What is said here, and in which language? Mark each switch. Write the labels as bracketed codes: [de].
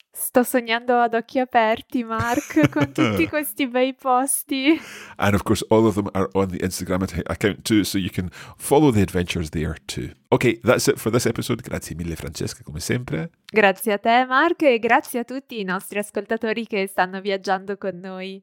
[it] Sto sognando ad occhi aperti, Mark, con tutti questi bei posti. [en] And of course, all of them are on the Instagram account too, so you can follow the adventures there too. Okay, that's it for this episode. [it] Grazie mille, Francesca, come sempre. Grazie a te, Mark, e grazie a tutti i nostri ascoltatori che stanno viaggiando con noi.